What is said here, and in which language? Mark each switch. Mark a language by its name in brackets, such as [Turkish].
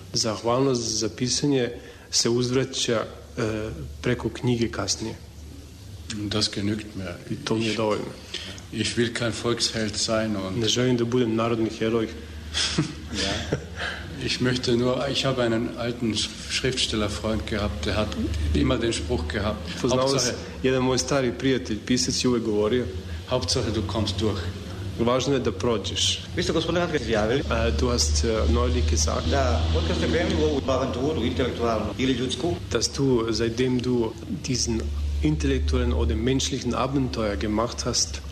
[Serbian] Zahvalnost za pisanje se uzvraća preko knjige kasnije. [German] Das genügt mir. [Serbian] I to mi je dovoljno. [German] Ich will kein Volksheld sein und [Serbian] ne želim da budem narodni heroj. [German] Ja. Ich habe einen alten Schriftstellerfreund gehabt, der hat immer den Spruch gehabt. [Serbian] Jedan moj stari prijatelj, pisac, je uvek govorio, [German] Hauptsache du kommst durch. [Serbian] Važno je da prođeš. Vi ste, gospodine Antke, izjavili? [German] Du hast neulich gesagt. [Serbian] Da, od kad ste krenuli u ovu avanturu, intelektualnu ili ljudsku? [German] Dass du, seitdem du diesen intelektuellen oder menschlichen Abenteuer gemacht hast.